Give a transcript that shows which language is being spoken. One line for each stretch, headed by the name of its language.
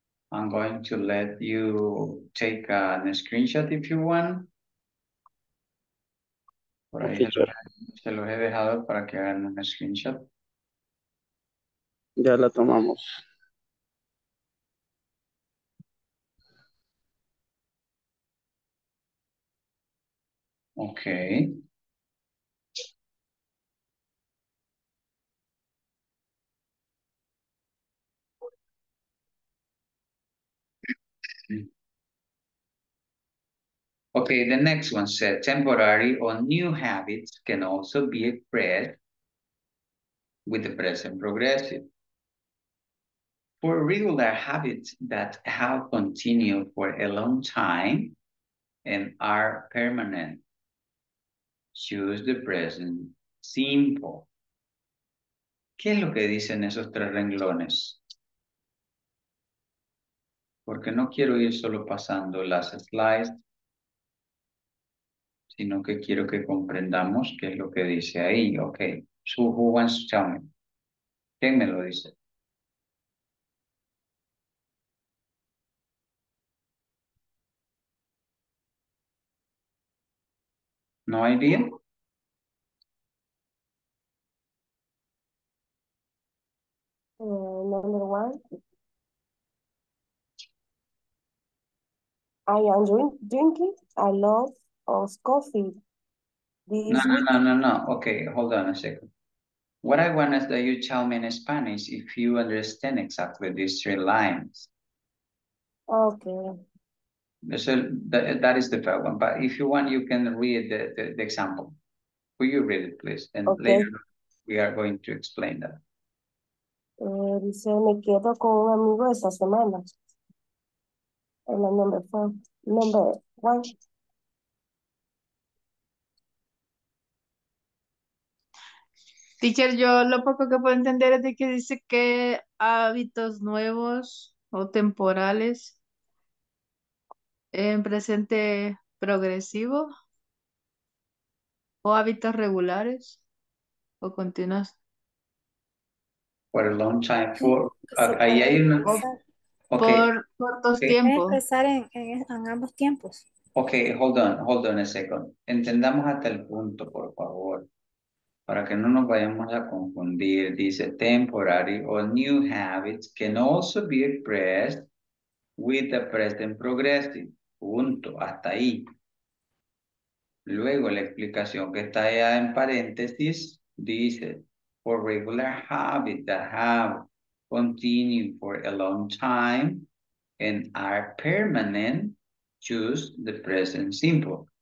English: I'm going to let you take a screenshot if you want.
Spanish: Por ahí se los he dejado para que hagan un screenshot. Ya la tomamos.
English: Okay. Okay, the next one said temporary or new habits can also be expressed with the present progressive. For regular habits that have continued for a long time and are permanent, choose the present simple.
Spanish: ¿Qué es lo que dicen esos tres renglones? Porque no quiero ir solo pasando las slides, sino que quiero que comprendamos qué es lo que dice ahí.
English: Ok. So who wants to tell me?
Spanish: ¿Quién me lo dice? ¿No hay idea?
English: Number one. I am drinking a lot of coffee. No. Okay, hold on a second. What I want is that you tell me in Spanish if you understand exactly these three lines. Okay. So that is the first one. But if you want, you can read the example. Will you read it, please? And okay. Later we are going to explain that.
Spanish: Dice, me quedo con un amigo esta semana. En la
English: number four. Number one.
Spanish: Teacher, yo lo poco que puedo entender es de que dice que hábitos nuevos o temporales en presente progresivo o hábitos regulares o continuos.
English: For a long time, for
Spanish: ahí hay una,
English: okay.
Spanish: Por cortos tiempos. Empezar en ambos tiempos.
English: Okay, hold on a second.
Spanish: Entendamos hasta el punto, por favor, para que no nos vayamos a confundir.
English: Dice temporary or new habits can also be expressed with the present progressive.
Spanish: Punto, hasta ahí. Luego la explicación que está allá en paréntesis dice.
English: For regular habits that have continued for a long time and are permanent, choose the present simple.